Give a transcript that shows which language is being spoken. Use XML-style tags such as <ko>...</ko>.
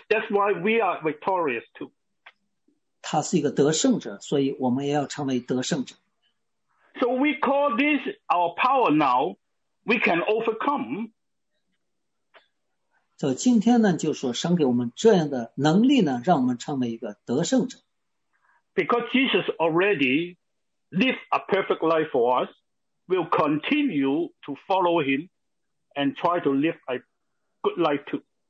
<en>That's why we are victorious too.</en> <zh>他是一个得胜者，所以我们也要成为得胜者。</zh> <en>So we call this our power now. We can overcome.</en> <zh>So 今天呢，就说神给我们这样的能力呢，让我们成为一个得胜者。</zh> <en>Because Jesus already lived a perfect life for us, we'll continue to follow him and try to live a good life too.</en>